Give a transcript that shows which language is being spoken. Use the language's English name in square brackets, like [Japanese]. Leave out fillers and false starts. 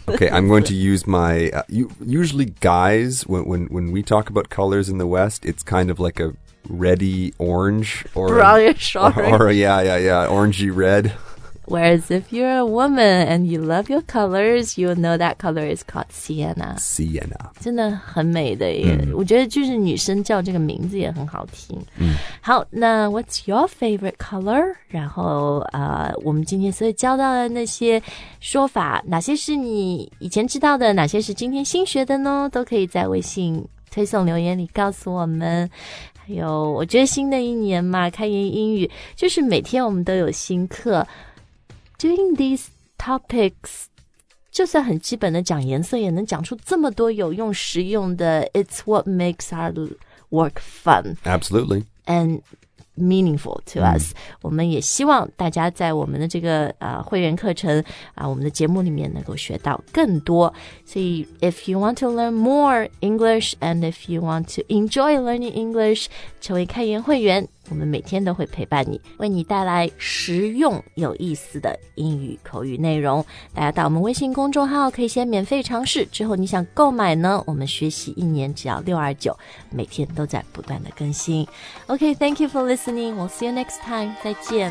[English] Okay, I'm going to use my、usually guys when we talk about colors in the west it's kind of like a reddy orange or brownish orange or orangey red Whereas if you're a woman and you love your colors, you'll know that color is called Sienna. Sienna. [Chinese] 真的很美的耶。我觉得就是女生叫这个名字也很好听。好，那 [English] what's your favorite color? [Chinese] 然后我们今天所教到的那些说法，哪些是你以前知道的，哪些是今天新学的呢？都可以在微信推送留言里告诉我们。还有，我觉得新的一年嘛，开言英语，就是每天我们都有新课。 [English] Doing these topics, [Chinese] 就算很基本的讲颜色，也能讲出这么多有用、实用的。 [English] It's what makes our work fun. Absolutely. And meaningful to us.、 [Chinese] 我们也希望大家在我们的这个、会员课程、我们的节目里面能够学到更多。所以 [English] if you want to learn more English and if you want to enjoy learning English, [Chinese] 成为开言会员。我们每天都会陪伴你，为你带来实用有意思的英语口语内容。大家到我们微信公众号可以先免费尝试，之后你想购买呢，我们学习一年只要629，每天都在不断的更新。 [English] OK, thank you for listening. We'll see you next time. [Chinese] 再见。